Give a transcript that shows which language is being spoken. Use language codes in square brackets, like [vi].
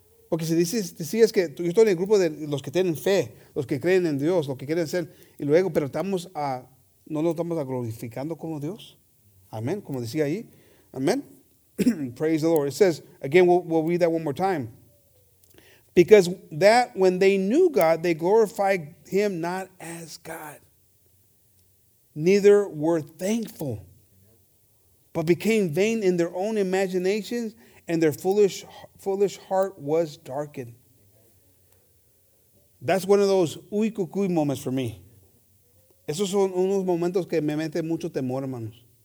[es] Porque si decías que yo estoy en el grupo de los que tienen fe, los que creen en Dios, los que quieren ser, y luego, pero estamos a, no lo estamos a glorificando como Dios. Amén, como decía ahí. Amén. [en] Praise the Lord. It says, again, we'll read that one more time. Because that when they knew God, they glorified him not as God. neither were thankful, but became vain in their own imaginations, and their foolish heart was darkened. That's one of those uy cucuy moments for me. [es] Esos son unos momentos que me meten mucho temor, hermanos.